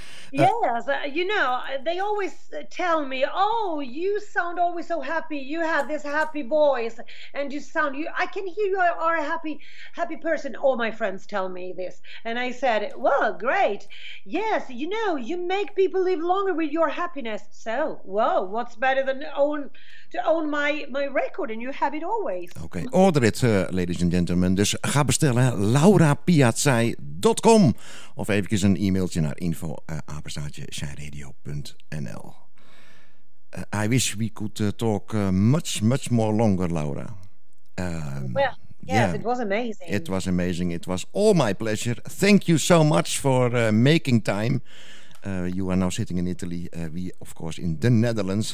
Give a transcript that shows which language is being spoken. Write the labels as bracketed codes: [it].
[en] Yes, you know, they always tell me, oh, you sound always so happy, you have this happy voice, and I can hear you are a happy person, all my friends tell me this, and I said, well, great, yes, you know, you make people live longer with your happiness, so, whoa, what's better than to own my record, and you have it always. Okay, order it, ladies and gentlemen, [nl] dus ga bestellen, laurapiazzai.com, of eventjes een e-mailtje naar info, @zijnradio.nl. [en] I wish we could talk much more longer, Laura. Well, Yes, it was amazing. It was amazing. It was all my pleasure. Thank you so much for making time. You are now sitting in Italy. [nl] We, of course, in the Netherlands.